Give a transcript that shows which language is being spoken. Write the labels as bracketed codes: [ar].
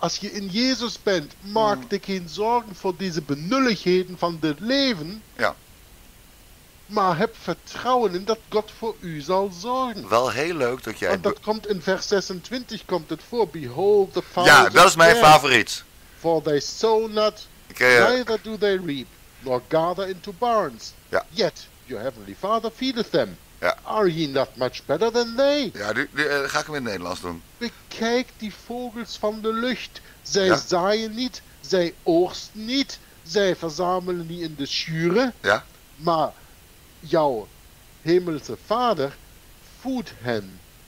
[nl] Als je in Jezus bent, maakt u geen zorgen voor deze benulligheden van dit leven. Ja. Maar heb vertrouwen in dat God voor u zal zorgen. Wel heel leuk dat jij... Want dat komt in vers 26, komt het voor. [en] Behold the [nl] fowls. Ja, dat is mijn favoriet. [en] For they sow not, neither do they reap, nor gather into barns. [nl] Ja. [en] Yet your heavenly Father feedeth them. [nl] Ja. [en] Are ye not much better than they? [nl] Ja, die ga ik hem in het Nederlands doen. Bekijk die vogels van de lucht. Zij zaaien niet, zij oogsten niet, zij verzamelen niet in de schuren. Ja. Maar jouw hemelse Vader voedt hen.